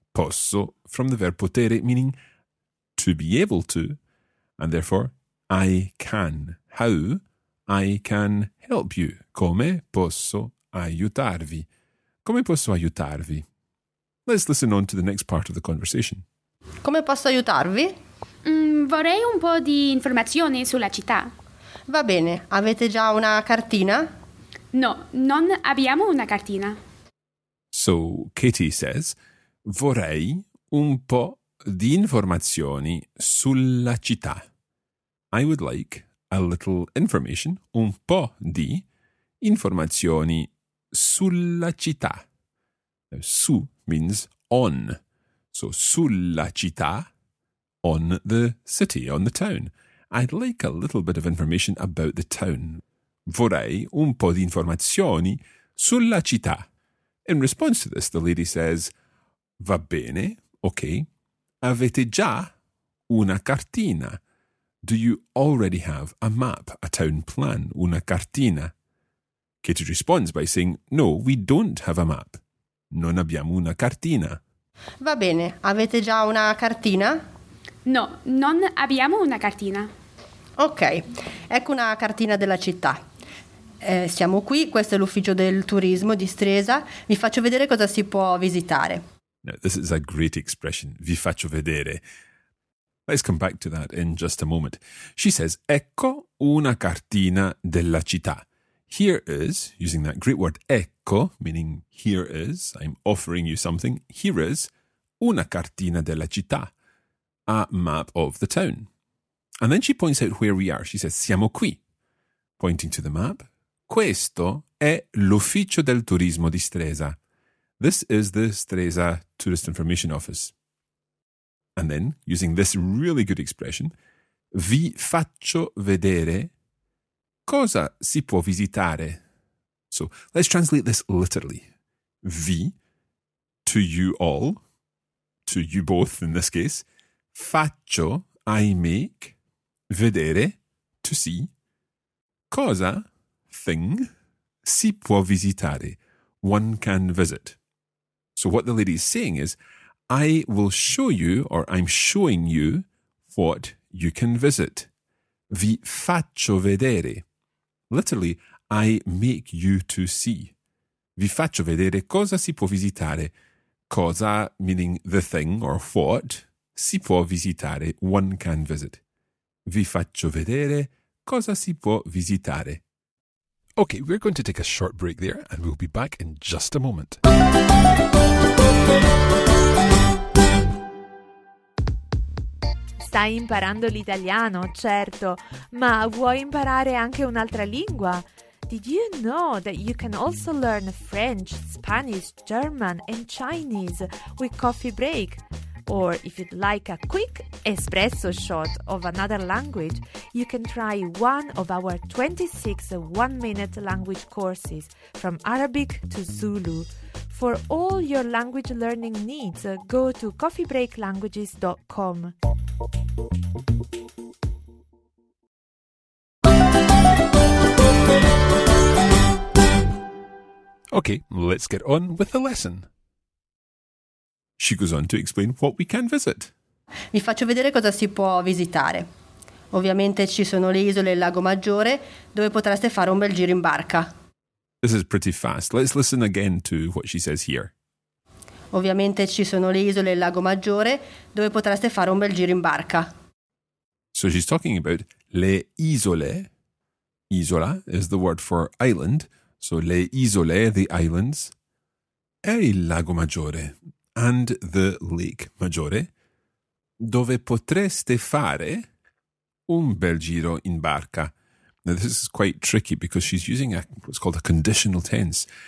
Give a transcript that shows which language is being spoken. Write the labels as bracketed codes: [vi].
[en] Posso, from the verb potere, meaning to be able to, and therefore, I can. How? I can help you. [it] Come posso aiutarvi? Come posso aiutarvi? [en] Let's listen on to the next part of the conversation. [it] Come posso aiutarvi? Vorrei un po' di informazioni sulla città. Va bene, avete già una cartina? No, non abbiamo una cartina. [en] So, Katie says, [it] vorrei un po' di informazioni sulla città. [en] I would like a little information, [it] un po' di informazioni sulla città. [en] Now, su means on. So, [it] sulla città, [en] on the city, on the town. I'd like a little bit of information about the town. [it] Vorrei un po' di informazioni sulla città. [en] In response to this, the lady says, [it] va bene, ok, avete già una cartina. [en] Do you already have a map, a town plan, una cartina? Katie responds by saying, no, we don't have a map. [it] Non abbiamo una cartina. Va bene, avete già una cartina? No, non abbiamo una cartina. Ok, ecco una cartina della città. Siamo qui, questo è l'ufficio del turismo di Stresa. Vi faccio vedere cosa si può visitare. [en] Now, this is a great expression, [it] vi faccio vedere. [en] Let's come back to that in just a moment. She says, [it] ecco una cartina della città. [en] Here is, using that great word ecco, meaning here is, I'm offering you something. Here is [it] una cartina della città, [en] a map of the town. And then she points out where we are. She says, [it] siamo qui, [en] pointing to the map. [it] Questo è l'ufficio del turismo di Stresa. [en] This is the Stresa Tourist Information Office. And then, using this really good expression, [it] vi faccio vedere cosa si può visitare. [en] So, let's translate this literally. Vi, to you all, to you both in this case, faccio, I make, vedere, to see, cosa, thing, [it] si può visitare, [en] one can visit. So what the lady is saying is, I will show you, or I'm showing you, what you can visit. [it] Vi faccio vedere. [en] Literally, I make you to see. [it] Vi faccio vedere cosa si può visitare. Cosa, [en] meaning the thing or what, [it] si può visitare, [en] one can visit. [it] Vi faccio vedere cosa si può visitare. [en] Okay, we're going to take a short break there, and we'll be back in just a moment. Z [it] Stai imparando l'italiano, certo, ma vuoi imparare anche un'altra lingua? [en] Did you know that you can also learn French, Spanish, German and Chinese with Coffee Break? Or if you'd like a quick espresso shot of another language, you can try one of our 26 one-minute language courses from Arabic to Zulu. For all your language learning needs, go to coffeebreaklanguages.com. Okay, let's get on with the lesson. She goes on to explain what we can visit. [it] Vi faccio vedere cosa si può visitare. Ovviamente ci sono le isole e il Lago Maggiore, dove potreste fare un bel giro in barca. [en] This is pretty fast. Let's listen again to what she says here. [it] Ovviamente ci sono le isole e il Lago Maggiore, dove potreste fare un bel giro in barca. [en] So she's talking about [it] le isole. [en] Isola is the word for island. [it] So le isole, [en] the islands. [it] E il Lago Maggiore. [en] And the Lake Maggiore, [it] dove potreste fare un bel giro in barca. [en] Now, this is quite tricky because she's using what's called a conditional tense.